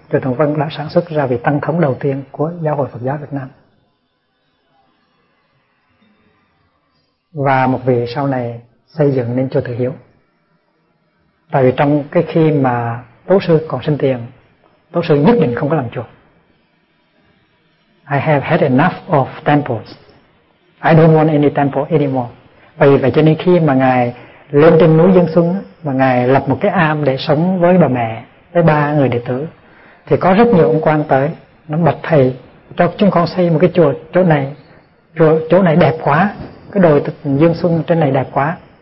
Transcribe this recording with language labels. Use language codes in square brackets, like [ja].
[vi] Chùa Tường Vân đã sản xuất ra vị tăng thống đầu tiên của Giáo hội Phật giáo Việt Nam. Và một vị sau này xây dựng nên chùa Tự Hiếu. Tại vì trong cái khi mà tổ sư còn sinh tiền, tổ sư nhất định không có làm chùa. [en] I have had enough of temples. I don't want any temple anymore. [vi] Vì vậy cho nên khi mà ngài lên trên núi Dương Xuân, mà ngài lập một cái am để sống với bà mẹ, với ba người đệ tử, thì có rất nhiều ông quan tới, nó bạch thầy cho chúng con xây một cái chùa chỗ này, chỗ này đẹp quá, cái đồi Dương Xuân trên này đẹp quá.